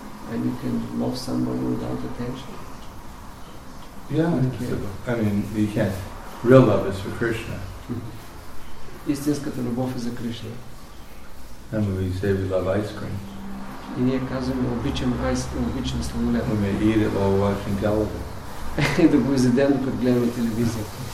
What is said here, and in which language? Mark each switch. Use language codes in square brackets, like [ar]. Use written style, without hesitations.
[en] And you can love someone without attention. Yeah, I mean, you can't. Real love is for Krishna. [bg] Истинската любов е за Кришна. [en] And we say we love ice cream. [bg] И ние казваме, обичам сладолед. [en] We may eat it while watching television. [bg] И да го изедем, докато гледаме телевизията.